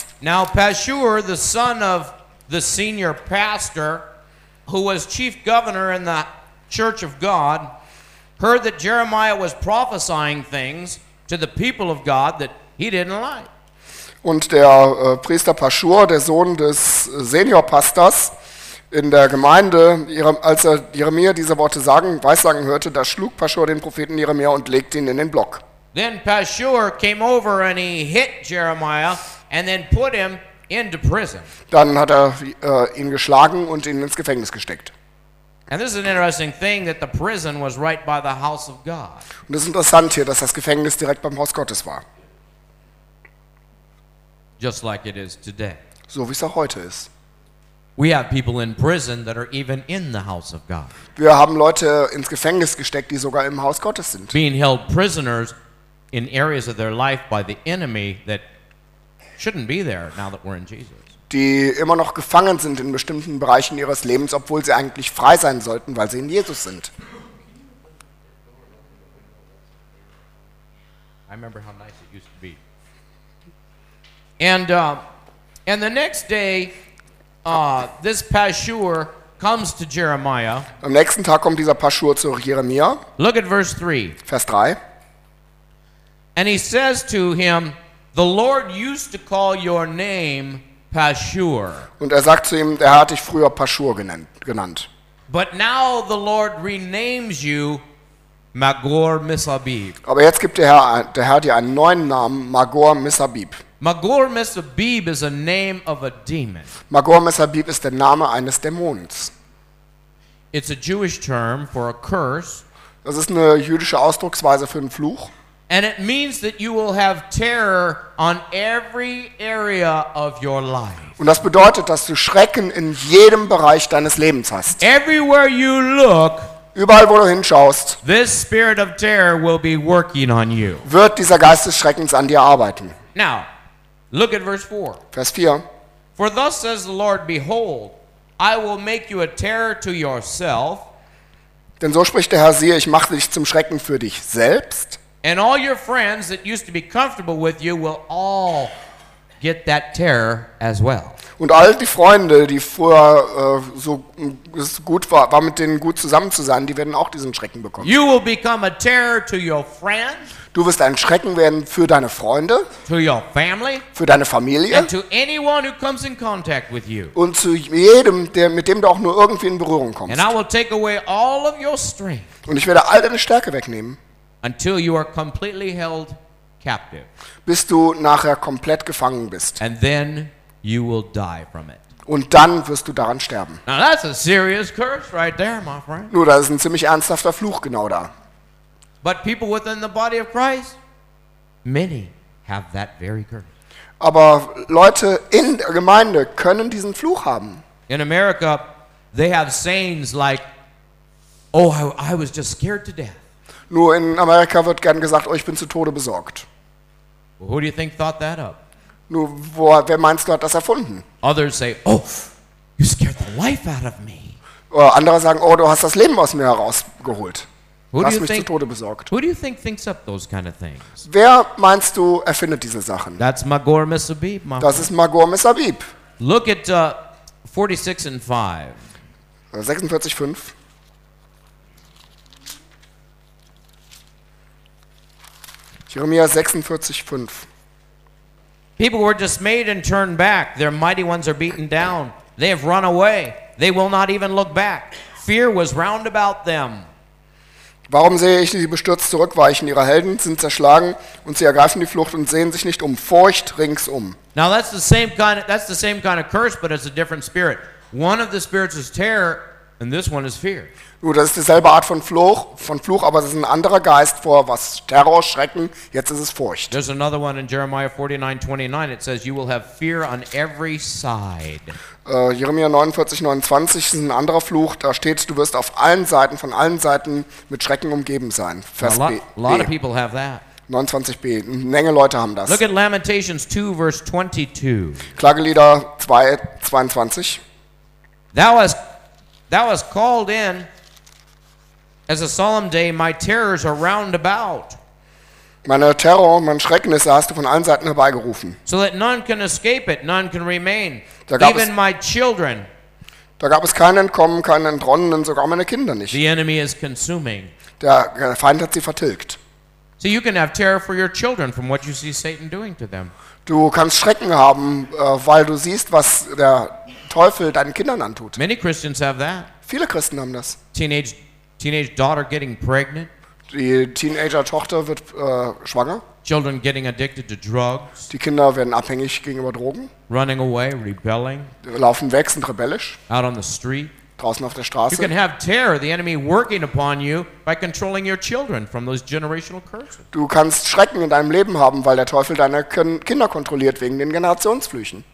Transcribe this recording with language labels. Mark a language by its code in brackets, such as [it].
[en] Now Pashur, the son of the senior pastor, who was chief governor in the church of God, heard that Jeremiah was prophesying things to the people of God that he didn't like. [de] Und der Priester Pashur, der Sohn des Seniorpastors in der Gemeinde, als er Jeremia diese Worte weissagen hörte, da schlug Pashur den Propheten Jeremia und legte ihn in den Block. [en] Then Pashur came over and he hit Jeremiah and then put him into prison. [de] Dann hat er ihn geschlagen und ihn ins Gefängnis gesteckt. [en] And this is an interesting thing that the prison was right by the house of God. [de] Und es ist interessant hier, dass das Gefängnis direkt beim Haus Gottes war. [en] Just like it is today. [de] So wie es auch heute ist. [en] We have people in prison that are even in the house of God. [de] Wir haben Leute ins Gefängnis gesteckt, die sogar im Haus Gottes sind. [en] Being held prisoners in areas of their life by the enemy that shouldn't be there now that we're in Jesus. [de] Die immer noch gefangen sind in bestimmten Bereichen ihres Lebens, obwohl sie eigentlich frei sein sollten, weil sie in Jesus sind. [en] I remember how nice it used to be. And the next day this Pashur comes to Jeremiah. [de] Am nächsten Tag kommt dieser Pashur zu Jeremia. [en] Look at verse 3. [de] Vers 3. [en] And he says to him, the Lord used to call your name Pashur. [de] Und er sagt zu ihm, der Herr hat dich früher Pashur genannt. [en] But now the Lord renames you Magor Misabib. [de] Aber jetzt gibt der Herr dir einen neuen Namen, Magor Misabib. [en] Magor Misabib is a name of a demon. [de] Magor Misabib ist der Name eines Dämons. [en] It's a Jewish term for a curse. [de] Das ist eine jüdische Ausdrucksweise für einen Fluch. [en] And it means that you will have terror on every area of your life. [de] Und das bedeutet, dass du Schrecken in jedem Bereich deines Lebens hast. [en] Everywhere you look, [de] überall wo du hinschaust, [en] this spirit of terror will be working on you. [de] Wird dieser Geist des Schreckens an dir arbeiten. [en] Now, look at verse 4. [de] Vers 4. [en] For thus says the Lord, behold, I will make you a terror to yourself. [de] Denn so spricht der Herr, siehe, ich mache dich zum Schrecken für dich selbst. [en] And all your friends that used to be comfortable with you will all get that terror as well. [de] Und all die Freunde, die früher so gut war mit denen gut zusammen zu sein, die werden auch diesen Schrecken bekommen. [en] You will become a terror to your friends. [de] Du wirst ein Schrecken werden für deine Freunde, [en] to your family, [de] für deine Familie, [en] and to anyone who comes in contact with you. [de] Und zu jedem, mit dem du auch nur irgendwie in Berührung kommst. [en] And I will take away all of your strength. [de] Und ich werde all deine Stärke wegnehmen. [en] Until you are completely held captive. [de] Bis du nachher komplett gefangen bist. [en] And then you will die from it. [de] Und dann wirst du daran sterben. [en] Now that's a serious curse right there, my friend. [de] Nur das ist ein ziemlich ernsthafter Fluch genau da. [en] But people within the body of Christ, many have that very curse. [de] Aber Leute in der Gemeinde können diesen Fluch haben. [en] In America, they have sayings like, "Oh, I was just scared to death." [de] Nur in Amerika wird gern gesagt, oh, ich bin zu Tode besorgt. [en] Well, who do you think thought that up? [de] Nur, wer meinst du, hat das erfunden? [en] Others say, oh, you scared the life out of me. [de] Andere sagen, oh, du hast das Leben aus mir herausgeholt. Hast mich zu Tode besorgt. [en] Who do you think thinks up those kind of things? [de] Wer meinst du, erfindet diese Sachen? [en] That's Magor Misabib, [de] Magor. Das ist Magor Misabib. [en] Look at 46 and 5. [de] 46, 5. Jeremia 46:5. [en] People were dismayed and turned back. Their mighty ones are beaten down. They have run away. They will not even look back. Fear was round about them. [de] Warum sehe ich sie bestürzt zurückweichen? Ihre Helden sind zerschlagen und sie ergreifen die Flucht und sehen sich nicht um. Furcht ringsum. [en] Now that's the same kind of, that's the same kind of curse, but it's a different spirit. One of the spirits is terror and this one is fear. [de] Nun, das ist dieselbe Art von Fluch, aber es ist ein anderer Geist vor was Terror, Schrecken, jetzt ist es Furcht. [en] There's another one in Jeremiah 49:29. It says you will have fear on every side. [de] Jeremia 49:29 ist ein anderer Fluch, da steht, du wirst auf allen Seiten von allen Seiten mit Schrecken umgeben sein. Vers [en] a lot of people have that. [de] 29b. Eine Menge Leute haben das. [en] Look at Lamentations 2 verse 22. [de] Klagelieder 2:22. [en] Thou hast called in as a solemn day my terrors are round about. [de] Meine Terror, mein Schrecknisse hast du von allen Seiten herbeigerufen. [en] So that none can escape it, none can remain. Even my children. [de] Da gab es kein Entkommen, kein Entronnen, sogar meine Kinder nicht. [en] The enemy is consuming. [de] Der Feind hat sie vertilgt. [en] So you can have terror for your children from what you see Satan doing to them. [de] Du kannst Schrecken haben, weil du siehst, was der Teufel deinen Kindern antut. [en] Many Christians have that. [de] Viele Christen haben das. [en] Teenage daughter getting pregnant. [de] Die Teenager-Tochter wird schwanger. [en] Children getting addicted to drugs. [de] Die Kinder werden abhängig gegenüber Drogen. [en] Running away, rebelling. [de] Laufen weg, sind rebellisch. [en] Out on the street. [de] Draußen auf der Straße. [en] You can have terror, the enemy working upon you by controlling your children from those generational curses. [de] Du kannst Schrecken in deinem Leben haben, weil der Teufel deine Kinder kontrolliert wegen den Generationsflüchen.